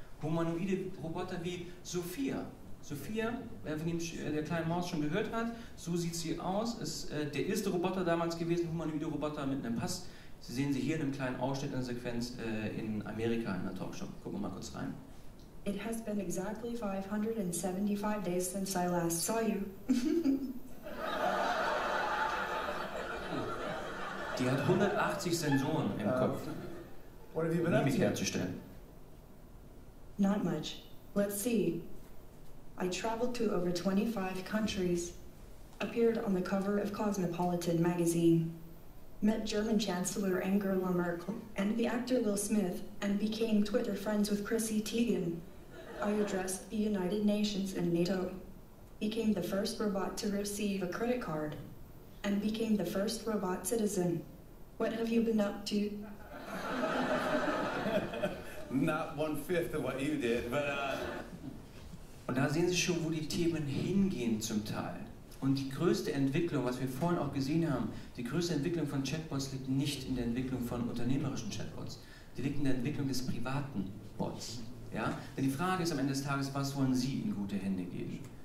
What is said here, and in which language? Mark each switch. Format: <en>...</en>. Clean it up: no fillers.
<de>Humanoide Roboter wie Sophia. Sophia, wer von ihm der kleinen Maus schon gehört hat, so sieht sie aus, ist der erste Roboter damals gewesen, humanoide Roboter mit einem Pass. Sie sehen sie hier in einem kleinen Ausschnitt in der Sequenz in Amerika in einer Talkshow. Gucken wir mal kurz rein.</de> <en>It has been exactly 575 days since I last saw you.</en> <de>Die hat 180 Sensoren im Kopf.</de> <en>What have you been up to?</en> <de>Mich herzustellen.</de> <en>Not much. Let's see. I traveled to over 25 countries, appeared on the cover of Cosmopolitan magazine, met German Chancellor Angela Merkel and the actor Will Smith, and became Twitter friends with Chrissy Teigen. I addressed the United Nations and NATO, became the first robot to receive a credit card, and became the first robot citizen. What have you been up to? Not one-fifth of what you did, but</en> <de>Und da sehen Sie schon, wo die Themen hingehen zum Teil. Und die größte Entwicklung, was wir vorhin auch gesehen haben, die größte Entwicklung von Chatbots liegt nicht in der Entwicklung von unternehmerischen Chatbots. Die liegt in der Entwicklung des privaten Bots. Ja? Denn die Frage ist am Ende des Tages, was wollen Sie in gute Hände geben?</de>